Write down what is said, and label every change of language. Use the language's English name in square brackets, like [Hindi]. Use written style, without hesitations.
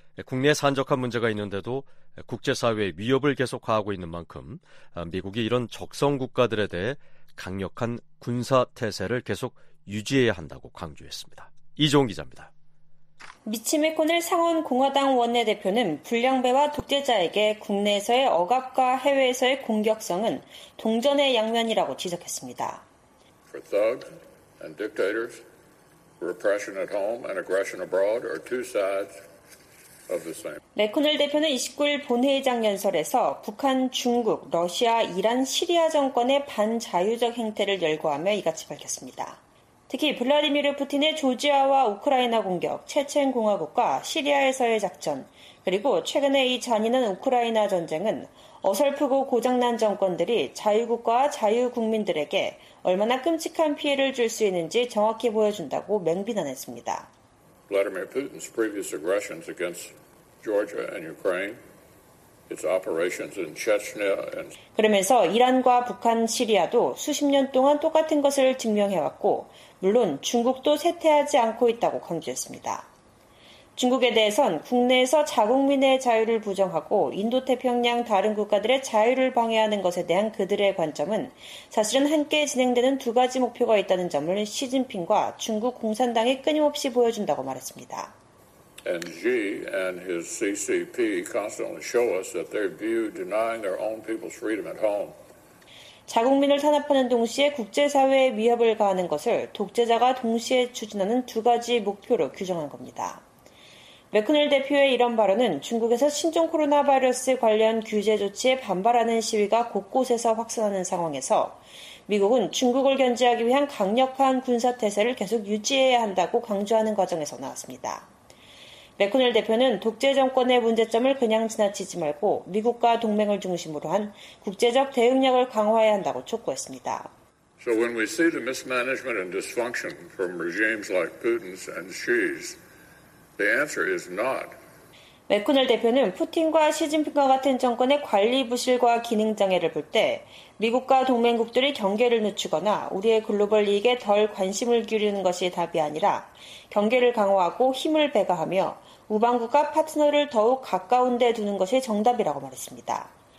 [Korean] 국내에 산적한 문제가 있는데도 국제사회의 위협을 계속 가하고 있는 만큼 미국이 이런 적성 국가들에 대해 강력한 군사 태세를 계속 유지해야 한다고 강조했습니다. 이종 기자입니다. 미치 맥코넬 상원 공화당 원내대표는 불량배와 독재자에게 국내에서의 억압과 해외에서의 공격성은 동전의 양면이라고 지적했습니다. [English] For thugs and dictators, repression at home and aggression abroad are two sides of the same. [Korean] 레코넬 대표는 29일 본회의장 연설에서 북한, 중국, 러시아, 이란, 시리아 정권의 반자유적 행태를 열거하며 이같이 밝혔습니다. 특히 블라디미르 푸틴의 조지아와 우크라이나 공격, 체첸 공화국과 시리아에서의 작전, 그리고 최근에 이 잔인한 우크라이나 전쟁은 어설프고 고장난 정권들이 자유국과 자유국민들에게 얼마나 끔찍한 피해를 줄 수 있는지 정확히 보여준다고 맹비난했습니다. [English] 블라디미르 푸틴의 previous aggressions against Georgia and Ukraine, its operations in Chechnya and [Korean] 그러면서 이란과 북한, 시리아도 수십 년 동안 똑같은 것을 증명해왔고, 물론 중국도 쇠퇴하지 않고 있다고 강조했습니다. 중국에 대해선 국내에서 자국민의 자유를 부정하고 인도태평양 다른 국가들의 자유를 방해하는 것에 대한 그들의 관점은 사실은 함께 진행되는 두 가지 목표가 있다는 점을 시진핑과 중국 공산당이 끊임없이 보여준다고 말했습니다. [English] And Xi and his CCP constantly show us that their view denying their own people's freedom at home. [Korean] 자국민을 탄압하는 동시에 국제사회에 위협을 가하는 것을 독재자가 동시에 추진하는 두 가지 목표로 규정한 겁니다. 맥코넬 대표의 이런 발언은 중국에서 신종 코로나 바이러스 관련 규제 조치에 반발하는 시위가 곳곳에서 확산하는 상황에서 미국은 중국을 견제하기 위한 강력한 군사태세를 계속 유지해야 한다고 강조하는 과정에서 나왔습니다. 맥코넬 대표는 독재 정권의 문제점을 그냥 지나치지 말고 미국과 동맹을 중심으로 한 국제적 대응력을 강화해야 한다고 촉구했습니다. [English] So when we see the mismanagement and dysfunction from regimes like Putin's and Xi's, the answer is not. [Korean] 맥코넬 대표는 푸틴과 시진핑과 같은 정권의 관리 부실과 기능 장애를 볼 때 미국과 동맹국들이 경계를 늦추거나 우리의 글로벌 이익에 덜 관심을 기울이는 것이 답이 아니라 경계를 강화하고 힘을 배가하며 우방국과 파트너를 더욱 가까운 데 두는 것이 정답이라고 말했습니다.